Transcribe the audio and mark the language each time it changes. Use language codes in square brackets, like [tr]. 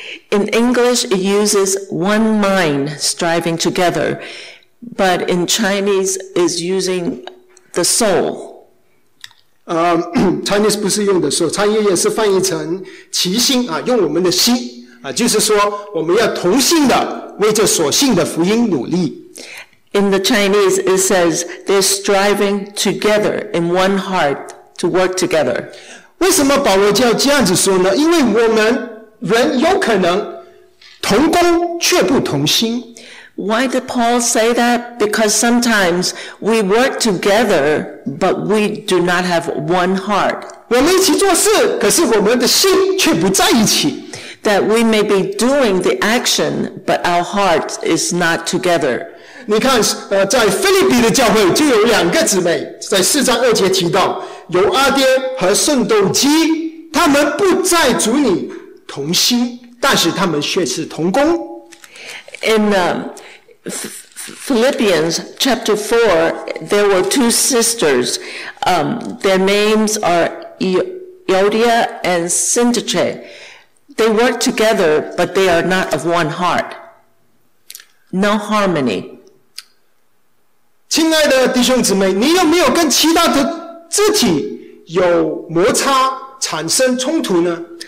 [en] In English it uses one mind striving together, but in Chinese is using the soul. [zh] Chinese 不是用的时候，它也是翻译成齐心啊，用我们的心啊，就是说我们要同心的为这所信的福音努力。 [en] In the Chinese, it says they're striving together in one heart to work together. [zh] 为什么保罗就要这样子说呢？因为我们人有可能同工却不同心。 [en] Why did Paul say that? Because sometimes we work together, but we do not have one heart. [zh] 我们一起做事，可是我们的心却不在一起。 [en] That we may be doing the action, but our heart is not together. [zh] 你看，在腓立比的教会就有两个姊妹，在四章二节提到，有阿爹和圣斗基，他们不在主里同心，但是他们却是同工。 [en] In Philippians chapter 4, there were two sisters. Their names are Euodia and Syntyche. They work together, but they are not of one heart. No harmony. [zh] 亲爱的弟兄姊妹，你有没有跟其他的肢体有摩擦，产生冲突呢？